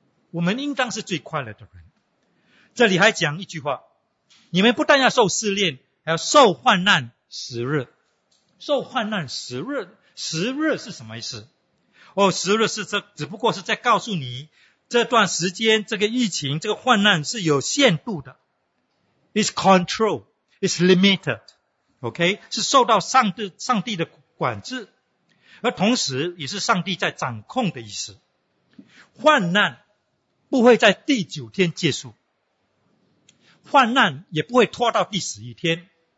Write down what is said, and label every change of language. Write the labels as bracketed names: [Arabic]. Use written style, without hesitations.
[Chinese] 我们应当是最快乐的人。这里还讲一句话，你们不但要受试炼，还要受患难十日。受患难十日，十日是什么意思？哦，十日是这，只不过是在告诉你，这段时间，这个疫情，这个患难是有限度的。 [English] It's control, it's limited. OK? [Chinese] 是受到上帝的管制，而同时也是上帝在掌控的意思。患难不会在第九天结束，患难也不会拖到第十一天。